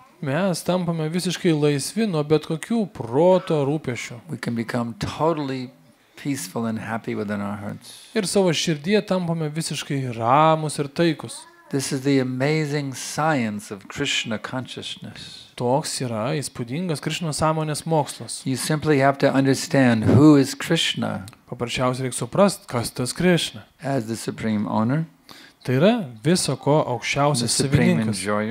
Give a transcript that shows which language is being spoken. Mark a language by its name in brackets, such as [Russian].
[Lithuanian] Mes tampame visiškai laisvi nuo bet kokių proto rūpešių. [English] We can become totally peaceful and happy within our hearts. [Lithuanian] Ir savo širdyje tampame visiškai ramus ir taikus. [English] This is the amazing science of Krishna consciousness. [Lithuanian] Toks yra įspūdingas Krishnos sąmonės mokslas. [English] You simply have to understand who is Krishna. [Lithuanian] Paprasčiausiai reikia suprasti, kas tas Krishna. [English] As the supreme owner. [Lithuanian] Tai yra viso ko aukščiausias savininkas.